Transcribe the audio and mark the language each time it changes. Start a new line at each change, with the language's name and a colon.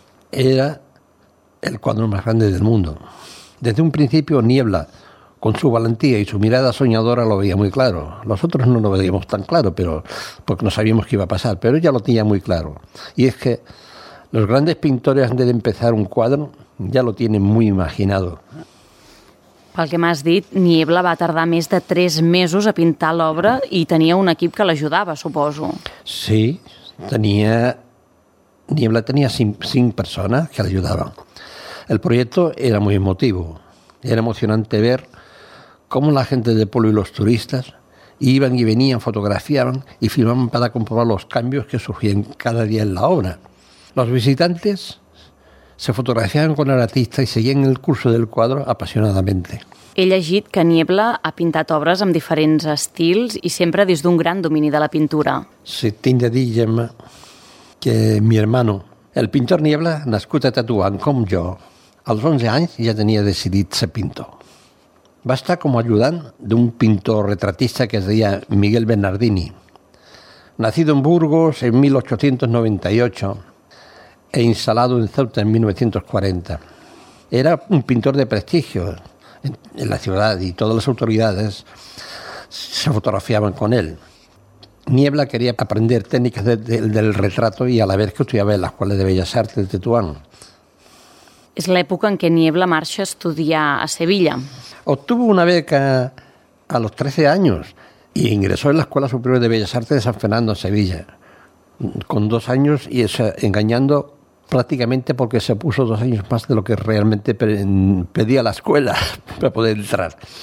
Spanish: Era el cuadro más grande del mundo. Desde un principio, Niebla, con su valentía y su mirada soñadora, lo veía muy claro. Nosotros no lo veíamos tan claro, pero porque no sabíamos qué iba a pasar, pero ya lo tenía muy claro. Y es que los grandes pintores, antes de empezar un cuadro, ja lo tienen muy imaginado.
Catalan: Pel que m'has dit, Niebla va tardar més de 3 mesos a pintar l'obra i tenia un equip que l'ajudava, suposo. Sí, tenia... Niebla tenia 5 persones que l'ajudaven.
Spanish: El proyecto era muy emotivo. Era emocionante ver cómo la gente del pueblo y los turistas iban y venían, fotografiaban y filmaban para comprobar los cambios que surgían cada día en la obra. Los visitantes se fotografiaban con el artista y seguían el curso del cuadro apasionadamente.
Catalan: He llegit que Niebla ha pintat obres amb diferents estils i sempre des d'un gran domini de la pintura. Sí, tinc de dir, Gemma, que
Spanish: mi hermano, el pintor
Catalan: Niebla, nascut a Tetuán, com jo, als 11 anys ja tenia decidit ser pintor. Va estar com a ajudant d'un pintor retratista que es deia Miguel Bernardini.
Spanish: Nacido en Burgos en 1898 e instalado en Ceuta en 1940. Era un pintor de prestigio en la ciudad y todas las autoridades se fotografiaban con él. Niebla quería aprender técnicas del retrato y a la vez que estudiaba en la Escuela de Bellas Artes de Tetuán.
Catalan: És l'època en què Niebla marxa a estudiar a Sevilla.
Spanish: Obtuvo una beca a los 13 años y ingresó en la Escuela Superior de Bellas Artes de San Fernando, Sevilla, con 2 años y engañando prácticamente porque se puso 2 años más de lo que realmente pedía la escuela para poder entrar.